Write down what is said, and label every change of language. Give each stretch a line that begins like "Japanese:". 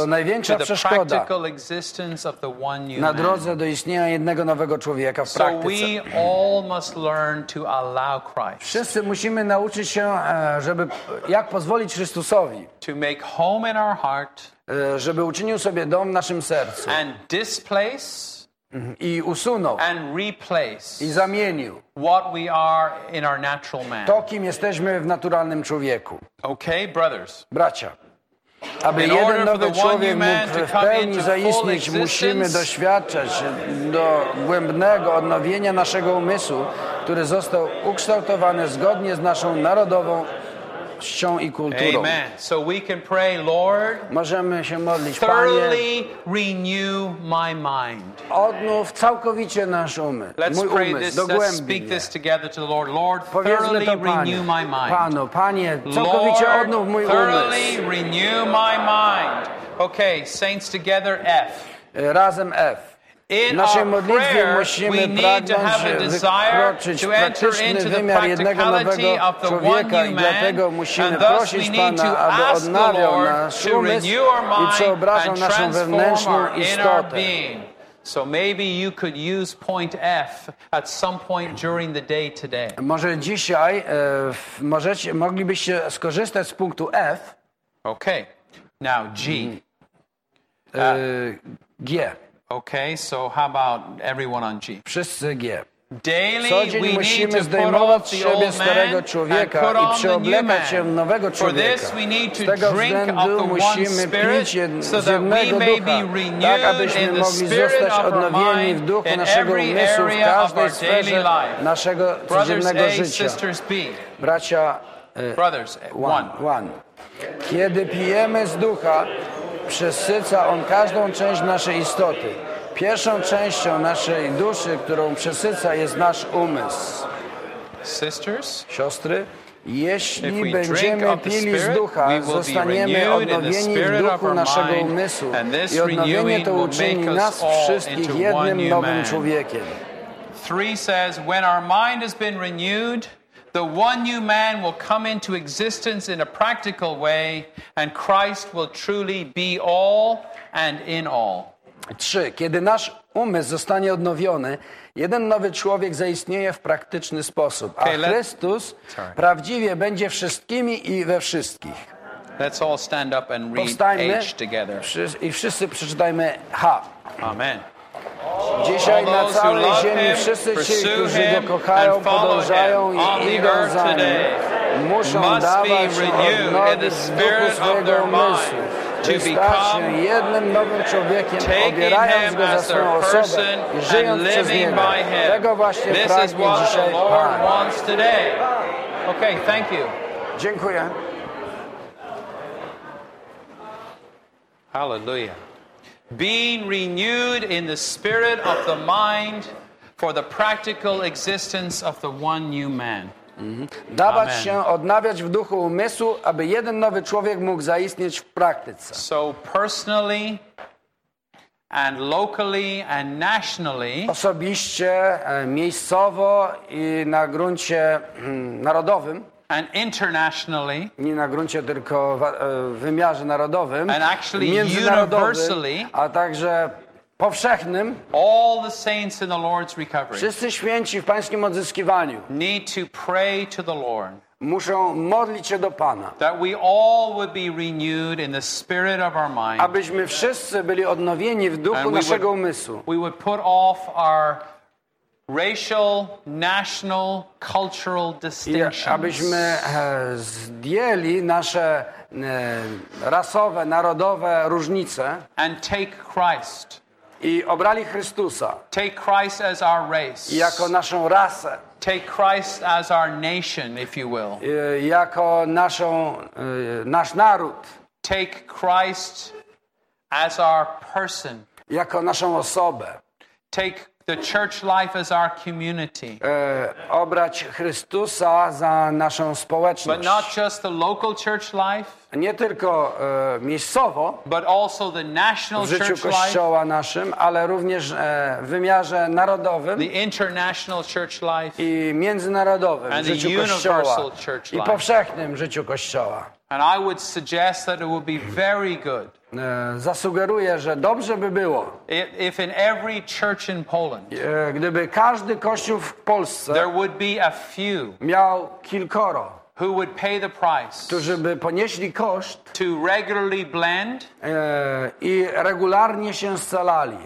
Polish: to największa przeszkoda
English: practical existence of the one
Polish: na drodze do istnienia jednego nowego człowieka w
English: so
Polish: praktyce.
English: We all must learn to allow Christ.
Polish: Wszyscy musimy nauczyć się, żeby jak pozwolić Chrystusowi,
English: to make home in our heart,
Polish: żeby uczynił sobie dom w naszym sercu
English: and displace,
Polish: i usunął
English: and replace,
Polish: i zamienił
English: what we are in our natural man.
Polish: To, kim jesteśmy w naturalnym człowieku.
English: Okay, brothers.
Polish: Bracia, aby jeden nowy człowiek mógł w pełni zaistnieć, musimy doświadczać do głębnego odnowienia naszego umysłu, który został ukształtowany zgodnie z naszą narodową ścią i kulturą.
English: Amen. So we can pray, Lord,
Polish: możemy się modlić,
English: thoroughly renew my mind.
Polish: Odnów całkowicie nasz umysł.
English: Let's
Polish: mój
English: pray
Polish: umysł,
English: this,
Polish: dogłębnie.
English: Let's speak this together to the Lord. Lord,
Polish: powiedzmy
English: thoroughly renew my mind.
Polish: Panu, Panie, całkowicie
English: Lord,
Polish: odnów mój
English: thoroughly
Polish: umysł.
English: Thoroughly renew my mind. Okay, saints together, F.
Polish: Razem F.
English: In
Polish: naszej
English: our
Polish: modlitwie
English: prayer,
Polish: musimy
English: we need to have a desire to enter into the practicality of the one new man, and thus we need to
Polish: Pana,
English: ask the Lord to renew our mind and transform our inner being. So maybe you could use point F at some point during the day today.
Polish: Może dzisiaj moglibyście skorzystać z punktu F.
English: Okay. Now G. G. Okay, so how about everyone on G?
Polish: Wszyscy G.
English: Daily we
Polish: musimy
English: need to put off the old man
Polish: starego człowieka
English: and put
Polish: i przeoblekać się w nowego człowieka.
English: For this we need to drink of the one spirit so that we may be renewed,
Polish: tak abyśmy mogli zostać odnowieni w duchu naszego umysłu w każdej sferze naszego codziennego życia. Bracia,
English: brothers, one.
Polish: Kiedy pijemy z ducha, przesyca on każdą część naszej istoty. Pierwszą częścią naszej duszy, którą przesyca, jest nasz umysł.
English: Sisters,
Polish: siostry, jeśli będziemy pili z ducha, zostaniemy odnowieni w duchu naszego umysłu i odnowienie to uczyni nas wszystkich jednym nowym człowiekiem.
English: 3 says, when our mind has been renewed, the one new man will come into existence in a practical way, and Christ will truly be all and in all. 3.
Polish: Kiedy nasz umysł zostanie odnowiony, jeden nowy człowiek zaistnieje w praktyczny sposób, a Chrystus prawdziwie będzie wszystkimi i we wszystkich.
English: Let's all stand up and read
Polish: Powstańmy
English: H together.
Polish: I wszyscy przeczytajmy H. Amen. Dzisiaj na całej ziemi wszyscy ci, którzy go kochają, podążają i idą za nim, muszą dawać odnowy z duchu swojego umysłu, by stać się jednym nowym człowiekiem, obierając go za swoją osobę i żyjąc przez niego. Tego właśnie pragnie dzisiaj Pan.
English: Okay, thank you.
Polish: Dziękuję. Hallelujah.
English: Being renewed in the spirit of the mind for the practical existence of the one new man. Mm-hmm.
Polish: Dawać Amen. Się odnawiać w duchu umysłu, aby jeden nowy człowiek mógł zaistnieć w praktyce.
English: So personally and locally and nationally,
Polish: osobiście, miejscowo i na gruncie narodowym,
English: and internationally,
Polish: nie na gruncie tylko w wymiarze narodowym,
English: and actually universally,
Polish: a także powszechnym,
English: all the saints in the Lord's recovery,
Polish: wszyscy święci w Pańskim odzyskiwaniu,
English: need to pray to the Lord,
Polish: muszą modlić się do Pana,
English: that we all would be renewed in the spirit of our mind,
Polish: abyśmy wszyscy byli odnowieni w duchu naszego umysłu,
English: we would put off our racial, national, cultural distinctions.
Polish: Abyśmy zdjęli nasze rasowe, narodowe różnice.
English: And take Christ.
Polish: I obrali Chrystusa.
English: Take Christ as our race.
Polish: Jako naszą rasę.
English: Take Christ as our nation, if you will.
Polish: Jako naszą, nasz naród.
English: Take Christ as our person.
Polish: Jako naszą osobę.
English: Take the church life as our community.
Polish: Obrać Chrystusa za naszą społeczność.
English: But not just the local church life.
Polish: Nie tylko miejscowo.
English: But also the national
Polish: w życiu
English: church
Polish: Kościoła
English: life.
Polish: Naszym, ale również w wymiarze narodowym.
English: The international church life.
Polish: I międzynarodowym
English: and
Polish: w życiu
English: the universal
Polish: Kościoła.
English: Church life.
Polish: I powszechnym życiu Kościoła.
English: And I would suggest that it would be very good.
Polish: Zasugeruję, że dobrze by było,
English: if in every church in Poland,
Polish: gdyby każdy kościół w Polsce
English: there would be a few
Polish: miał kilkoro,
English: who would pay the price,
Polish: którzy by ponieśli koszt,
English: to regularly blend,
Polish: i regularnie się scalali,